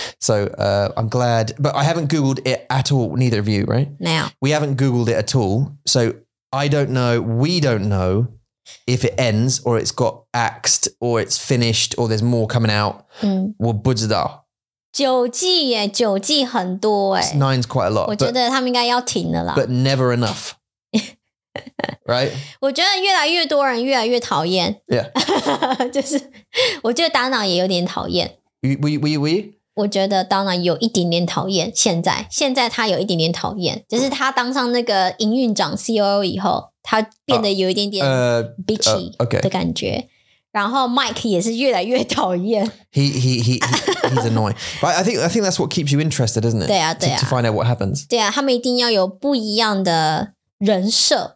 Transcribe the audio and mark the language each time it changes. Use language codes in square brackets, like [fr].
[en] So I'm glad, but I haven't Googled it at all. Neither of you, right? Now. We haven't Googled it at all. So I don't know. We don't know if it ends or it's got axed or it's finished or there's more coming out. We're budged up. [zh] 九季耶,九季很多耶。 [en] 9's quite a lot. [zh] 我觉得他们应该要停了啦。 [en] But never enough. right? [zh] 我觉得越来越多人越来越讨厌。 [en] Yeah. [zh] 就是我觉得当然也有点讨厌。 [en] We? [zh] 我觉得当然有一点点讨厌，现在他有一点点讨厌，就是他当上那个营运长 COO 以后，他变得有一点点 bitchy [en] okay. [zh] 的感觉。然后 Mike 也是越来越讨厌。 [en] He's annoying. But I think that's what keeps you interested, isn't it? [zh] 对啊，对啊。 [en] To find out what happens. [zh] 对啊，他们一定要有不一样的人设。